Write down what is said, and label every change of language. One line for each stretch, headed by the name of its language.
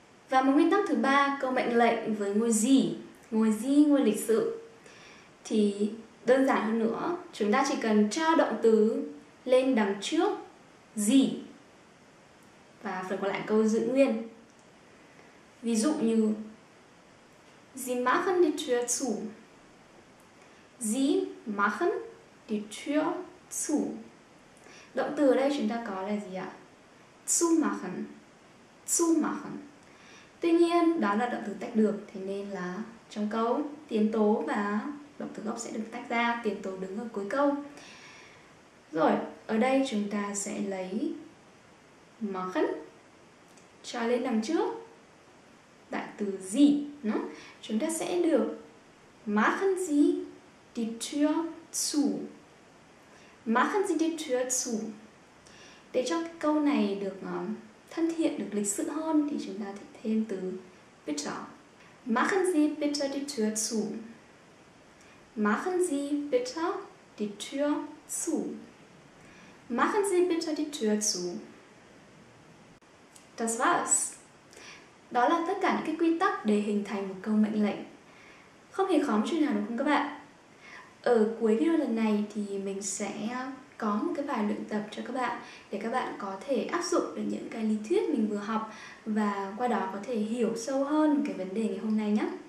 Vietnamese: Và một nguyên tắc thứ ba, câu mệnh lệnh với ngôi gì, ngôi gì, ngôi lịch sự, thì đơn giản hơn nữa, chúng ta chỉ cần cho động từ lên đằng trước gì và phần còn lại câu giữ nguyên. Ví dụ như
German: Sie machen die Tür zu. Sie machen die Tür zu.
Vietnamese: Động từ ở đây chúng ta có là gì ạ? Zu machen. Zu machen. Tuy nhiên, đó là động từ tách được, thế nên là trong câu tiến tố và động từ gốc sẽ được tách ra, tiến tố đứng ở cuối câu. Rồi, ở đây chúng ta sẽ lấy machen cho lên đằng trước đại từ gì, đúng không? Chúng ta sẽ được
German: machen Sie die Tür zu. Machen Sie die Tür zu.
Vietnamese: Để cho cái câu này được thân thiện, được lịch sự hơn thì chúng ta thêm từ bitte.
German: Machen Sie bitte die Tür zu. Machen Sie bitte die Tür zu. Machen Sie bitte die Tür zu. Das war's.
Vietnamese: Đó là tất cả những cái quy tắc để hình thành một câu mệnh lệnh. Không hề khó một chút nào đúng không các bạn? Ở cuối video lần này thì mình sẽ có một cái bài luyện tập cho các bạn để các bạn có thể áp dụng được những cái lý thuyết mình vừa học và qua đó có thể hiểu sâu hơn cái vấn đề ngày hôm nay nhé.